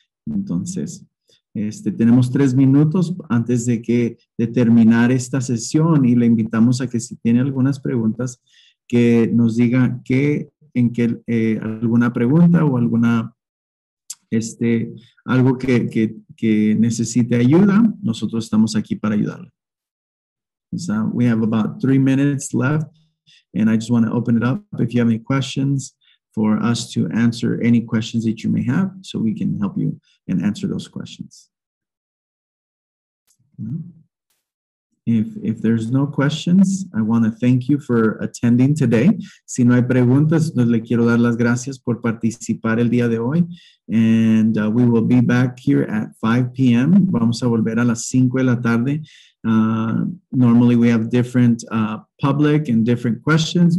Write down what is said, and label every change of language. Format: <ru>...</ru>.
<es>Entonces, tenemos 3 minutos antes de terminar esta sesión, y le invitamos a que si tiene algunas preguntas, que nos diga alguna pregunta o alguna algo que necesite ayuda, nosotros estamos aquí para ayudarle.</es> <en>So we have about 3 minutes left, and I just want to open it up if you have any questions for us to answer any questions that you may have, so we can help you and answer those questions. If there's no questions, I want to thank you for attending today.</en> <es>Si no hay preguntas, pues le quiero dar las gracias por participar el día de hoy.</es> <en>And we will be back here at 5 p.m.</en> <es>Vamos a volver a las 5 de la tarde.</es> <en>Normally we have different public and different questions.</en>